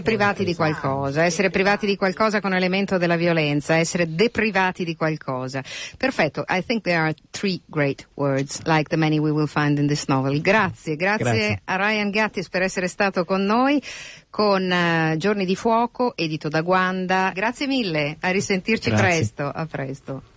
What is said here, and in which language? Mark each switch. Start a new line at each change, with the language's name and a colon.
Italian: privati di qualcosa con elemento della violenza, essere deprivati di qualcosa. Perfetto.
English: I think there are three great words, like the many we will find in this novel.
Italian: Grazie a Ryan Gatiss per essere stato con noi con Giorni di Fuoco, edito da Guanda. Grazie mille, a risentirci presto. A presto.